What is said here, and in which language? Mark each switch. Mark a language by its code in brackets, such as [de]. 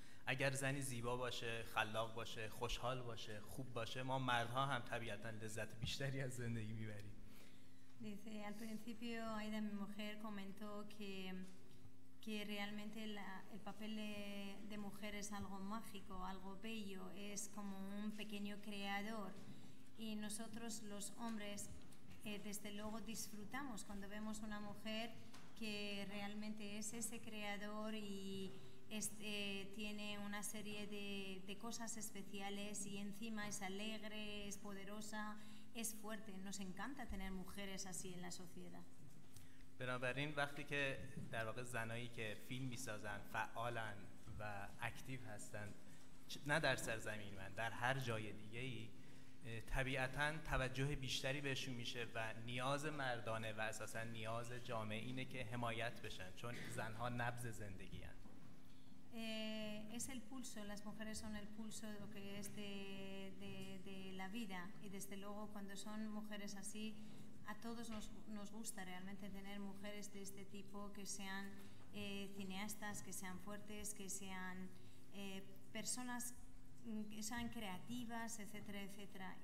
[fa] اگر زنی زیبا باشه، خلاق باشه، خوشحال باشه، خوب باشه، ما مردها هم طبیعتاً لذت بیشتری از زندگی میبریم. [es] Dice, al principio Aida, mi mujer, comentó que realmente el papel de mujer es algo mágico, algo bello, es como un pequeño creador. Y nosotros los hombres desde luego disfrutamos cuando vemos una mujer que realmente es ese creador y tiene una serie de cosas especiales y encima es alegre, es poderosa, es fuerte. Nos encanta tener mujeres así en la sociedad. [fa] بنابراین وقتی که در واقع زنایی که فیلم می‌سازن فعالن و اکتیو هستن، نه در سرزمین من، در هر جای دیگه‌ای، طبیعتاً توجه بیشتری بهشون میشه و نیاز مردانه و اساساً نیاز جامعه اینه که حمایت بشن، چون زنها نبض زندگی هستن. [es] Es el pulso, las mujeres son el pulso de lo que es de la vida y desde luego cuando son mujeres así a todos nos gusta realmente tener mujeres de este tipo, que sean cineastas, que sean fuertes, que sean personas que sean creativas, etcétera, etcétera.